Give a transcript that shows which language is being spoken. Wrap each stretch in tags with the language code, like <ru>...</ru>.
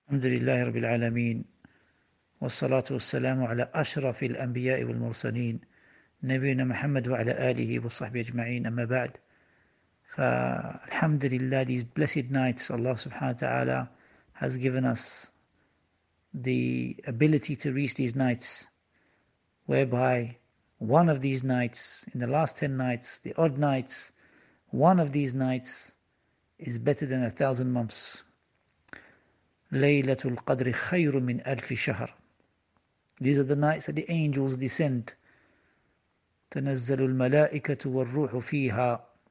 <ar>الحمد لله رب العالمين، والصلاة والسلام على أشرف الأنبياء والمرسلين نبينا محمد وعلى آله وصحبه أجمعين. أما بعد، فالحمد لله،</ar> <en>these blessed nights Allah</en> <ar>سبحانه وتعالى</ar> <en>has given us the ability to reach these nights, whereby one of these nights, in the last 10 nights, the odd nights, one of these nights is better than 1,000 months.</en> <ar>ليلة القدر خير من ألف شهر.</ar> <en>These are the nights that the angels descend.</en> <ar>تنزل الملائكة والروح فيها.</ar>